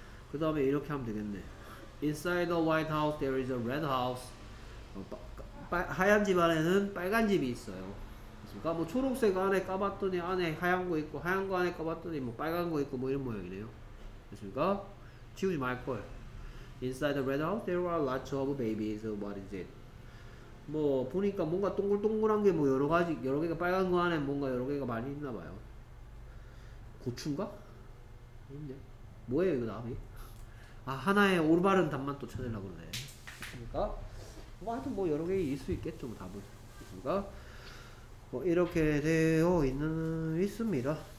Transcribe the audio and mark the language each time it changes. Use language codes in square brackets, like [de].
[ko] 그 다음에 이렇게 하면 되겠네. [en] Inside the white house, there is a red house. [ko] 하얀 집 안에는 빨간 집이 있어요. 있습니까? 뭐 초록색 안에 까봤더니 안에 하얀 거 있고 하얀 거 안에 까봤더니 뭐 빨간 거 있고 뭐 이런 모양이네요. 됐습니까? 치우지 말걸. [en] Inside the red house there are lots of babies. What is it? [ko] 뭐 보니까 뭔가 동글동글한 게 뭐 여러 가지 여러 개가 빨간 거 안에 뭔가 여러 개가 많이 있나 봐요. 고추인가? 있네. 뭐예요 이거 나비? 아 하나의 올바른 답만 또 찾으려고 그러네. 됐습니까? 뭐 하여튼 뭐 여러 개 있을 수 있겠죠 뭐 답은. 됐습니까? 뭐 이렇게 되어 있습니다.